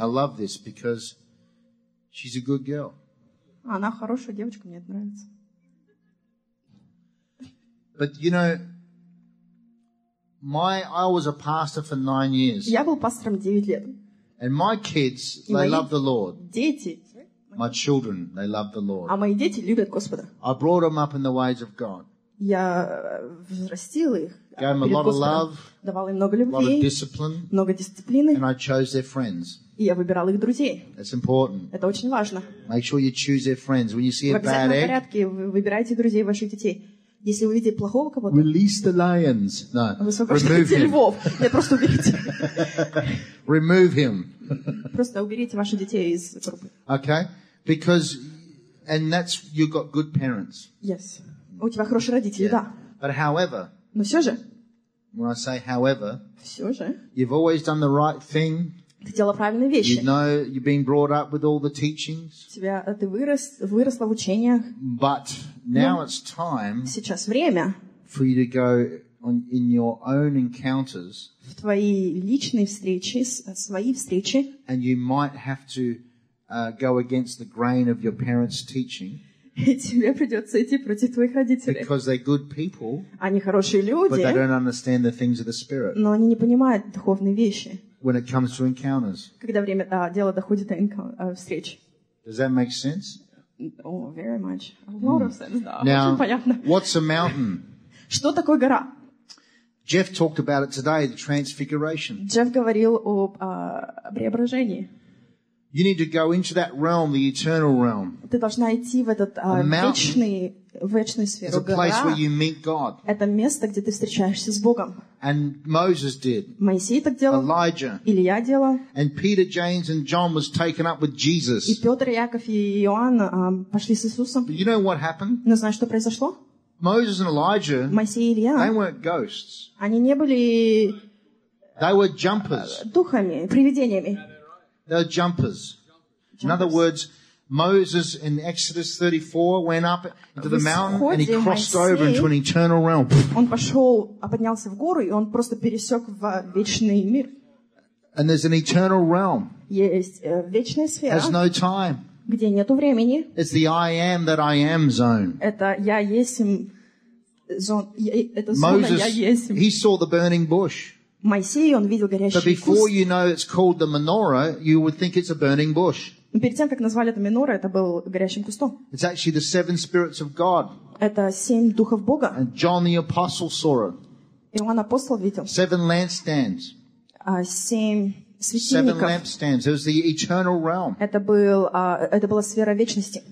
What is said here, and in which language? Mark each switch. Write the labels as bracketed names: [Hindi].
[English] I love this because she's a good girl. [Russian] Она хорошая девочка, мне это нравится. [English] But you know, I was a pastor for 9 years. [Russian] Я был пастором 9 лет. [English] And my kids, they love the Lord. [Russian] Дети. [English] My children, they love the Lord. [Russian] А мои дети любят Господа. [English] I brought them up in the ways of God. [Russian] Я взрастил их. [English] Gave them a lot of love. [Russian] Давал им много любви. [English] A lot of discipline. [Russian] Много дисциплины. [English] And I chose their friends. [Russian] И я выбирал их друзей. [English] That's important. [Russian] Это очень важно. [English] Make sure you choose their friends when you see a bad egg. [Russian] В порядке, вы выбираете друзей ваших детей. Если вы видите плохого кого-то, [English] release the lions. No. [Russian] Высвобождайте львов. Нет, просто уберите. [English] Remove him. [Russian] Просто уберите ваших детей из группы. [English] Okay. Because, and that's, you've got good parents. Yes. [Russian] У тебя хорошие родители, да. [English] But however, [Russian] но все же, [English] when I say however, [Russian] все же, [English] you've always done the right thing. [Russian] Ты делала правильные вещи. [English] You know, you've been brought up with all the teachings. [Russian] Ты выросла в учениях. [English] But now it's time. [Russian] Сейчас время. [English] For you to go on in your own encounters. [Russian] В твои личные встречи, свои встречи. [English] And you might have to go against the grain of your parents' teaching. [Russian] И тебе придется идти против твоих родителей. [English] Because they're good people. [Russian] Они хорошие люди. [English] But they don't understand the things of the spirit. [Russian] Но они не понимают духовные вещи. [English] When it comes to encounters. [Russian] Когда время дело доходит до встреч. [English] Does that make sense? Oh, very much. A lot of sense. [Russian] Да. [English] Now, [Russian] очень понятно. [English] What's a mountain? [Russian] Что такое гора? [English] Jeff talked about it today, the transfiguration. [Russian] Джефф говорил об преображении. [English] You need to go into that realm, the eternal realm. [Russian] Ты должна идти в этот вечную сферу. [English] It's a place where you meet God. [Russian] Это место, где ты встречаешься с Богом. [English] And Moses did. [Russian] Моисей так делал. [English] Elijah. [Russian] Илия делал. [English] And Peter, James, and John was taken up with Jesus. [Russian] И Петр, Яков и Иоанн пошли с Иисусом. [English] But you know what happened? [Russian] Но знаешь, что произошло? [English] Moses and Elijah. [Russian] Моисей и Илия. [English] They weren't ghosts. [Russian] Они не были. [English] They were jumpers. [Russian] Духами, привидениями. [English] They were jumpers. In other words, Moses in Exodus 34 went up into the mountain and he crossed over into an eternal realm. [Russian] Он пошел, поднялся в гору, и он просто пересек в вечный мир. [English] And there's an eternal realm. [Russian] Есть вечная сфера. [English] Has no time. [Russian] Где нету времени. [English] It's the I am that I am zone. [Russian] Это я есть зон. Это зона [English] Moses, [Russian] я есть. [English] He saw the burning bush. [Russian] Моисей, он видел горящий куст. [English] But before you know it's called the menorah, you would think it's a burning bush. [Russian] Но перед тем, как назвали это менорой, это был горящим кустом. [English] It's actually the seven spirits of God. [Russian] Это семь духов Бога. [English] And John the apostle saw it. [Russian] Иоанн апостол видел. [English] Seven lampstands. [Russian] Семь светильников. [English] Seven lampstands. It was the eternal realm. [Russian] Это была сфера вечности.